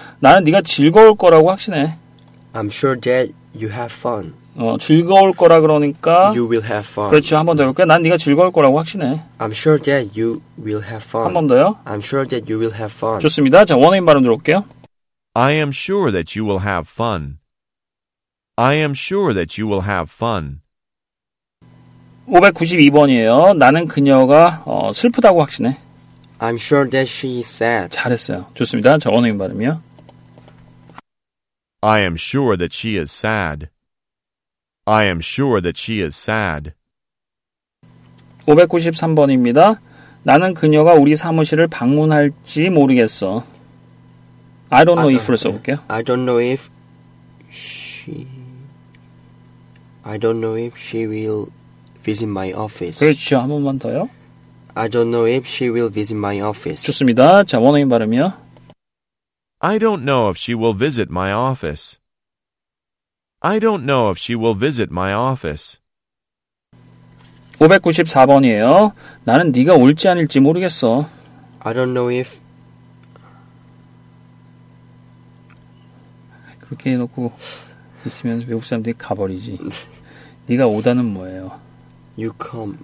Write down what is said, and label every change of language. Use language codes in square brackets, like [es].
[ko] 나는 네가 즐거울 거라고 확신해. [en] I'm sure that you have fun. [ko] 즐거울 거라 그러니까 [en] you will have fun. [ko] 그렇죠. 한 번 더 해볼까요? 난 네가 즐거울 거라고 확신해. [en] I'm sure that you will have fun. [ko] 한 번 더요. [en] I'm sure that you will have fun. [ko] 좋습니다. 자, 원어민 발음 들어볼게요. [en] I am sure that you will have fun. I am sure that you will have fun. [ko] 592번이에요. 나는 그녀가 슬프다고 확신해. [en] I'm sure that she is sad. [ko] 잘했어요. 좋습니다. 자, 원어민 발음이요. [en] I am sure that she is sad. I am sure that she is sad. [ko] 593번입니다. 나는 그녀가 우리 사무실을 방문할지 모르겠어. [en] I don't know if [ko] 를 써볼게요. [en] I don't know if she... I don't know if she will visit my office. [ko] 그렇죠. 한 번만 더요. [en] I don't know if she will visit my office. [ko] 좋습니다. 자, 원어민 발음이요. [en] I don't know if she will visit my office. I don't know if she will visit my office. [ko] 594번이에요. 나는 네가 올지 아닐지 모르겠어. [en] I don't know if... [ko] 그렇게 해놓고 있으면 외국 사람들이 가버리지. 네가 오다는 뭐예요? [en] You come.